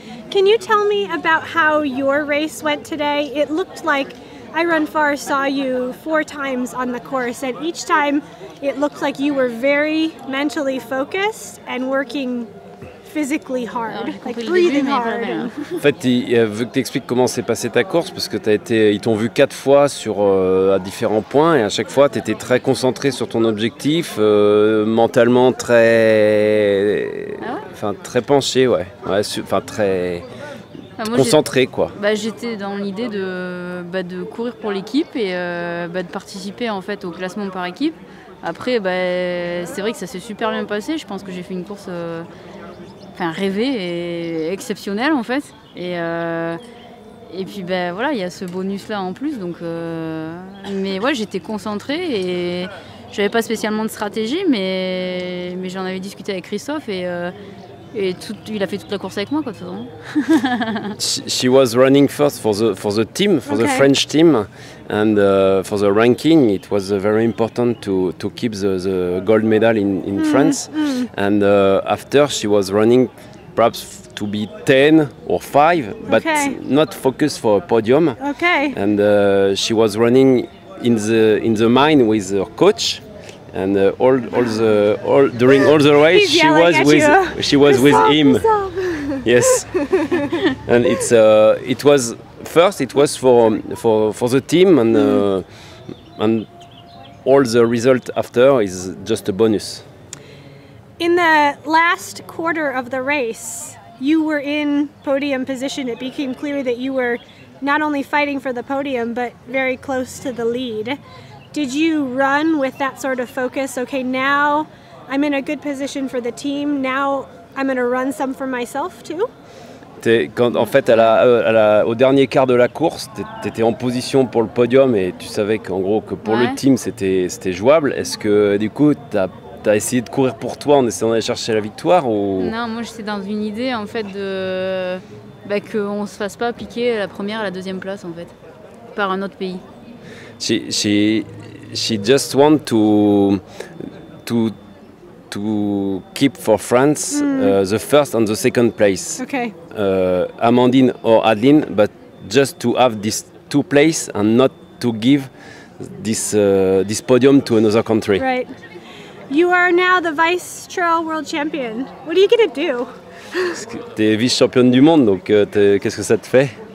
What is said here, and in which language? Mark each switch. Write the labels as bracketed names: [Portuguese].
[English] Can you tell me about how your race went today? It looked like I Run Far saw you 4 times on the course, and each time it looked like you were very mentally focused and working physically hard, like breathing hard. [French] En fait, vu que tu expliques comment s'est passée ta course, parce que ils t'ont vu 4 fois sur à différents points, et à chaque fois, tu étais très concentré sur ton objectif, mentalement très, enfin très penché, ouais, enfin très concentré, quoi. Bah, j'étais dans l'idée de courir pour l'équipe et de participer en fait au classement par équipe. Après, c'est vrai que ça s'est super bien passé. Je pense que j'ai fait une course rêvé et exceptionnel en fait, et puis voilà, il y a ce bonus là en plus, donc mais ouais, j'étais concentrée et j'avais pas spécialement de stratégie, mais j'en avais discuté avec Christophe et il a fait toute la course avec moi, quoi, de toute façon. [English] she was running first for the team, for okay. The French team, and for the ranking it was very important to keep the gold medal in mm. France. Mm. And after she was running perhaps to be 10 or 5, but okay. Not focused for a podium. Okay. And she was running in the mine with her coach. And during all the race, she was with him. Yes. And it was for the team, and and all the result after is just a bonus. In the last quarter of the race, you were in podium position. It became clear that you were not only fighting for the podium, but very close to the lead. Did you run with that sort of focus? Okay, now I'm in a good position for the team. Now I'm going to run some for myself too. [French] Au dernier quart de la course, tu étais en position pour le podium et tu savais qu'en gros que pour ouais. Le team c'était jouable. Est-ce que du coup tu as essayé de courir pour toi en essayant d'aller chercher la victoire ou... Non, moi j'étais dans une idée en fait de qu'on se fasse pas piquer la première à la deuxième place en fait par un autre pays. [English] She just want to keep for France the first and the second place. Okay. Amandine or Adeline, but just to have these 2 places and not to give this podium to another country. Right. You are now the vice trail world champion. What are you going to do? [French] Tu es vice championne du monde, donc qu'est-ce que ça te fait?